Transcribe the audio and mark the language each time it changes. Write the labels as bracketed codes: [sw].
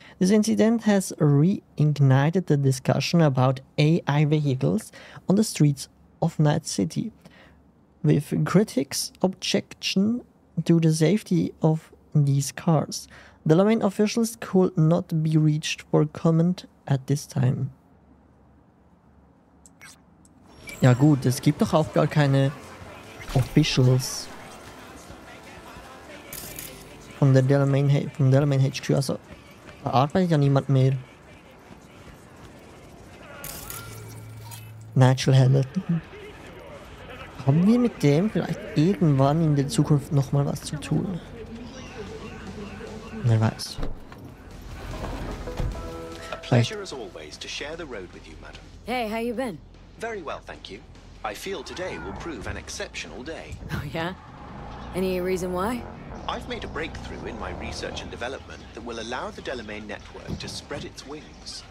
[en] This incident has reignited the discussion about AI vehicles on the streets of Night City. With critics' objection to the safety of these cars. The Delamain officials could not be reached for comment at this time. [de] Ja gut, es gibt doch auch gar keine Officials von der Delamain HQ, also da arbeitet ja niemand mehr. Natural Hamilton. Haben wir mit dem vielleicht irgendwann in der Zukunft nochmal was zu tun? Wer weiß. [en] A pleasure as always to share the road with you, madam. Hey, how you been? Very well, thank you. I feel today will prove an exceptional day. Oh yeah? Any reason why? I've made a breakthrough in my research and development that will allow the Delamain network to spread its wings.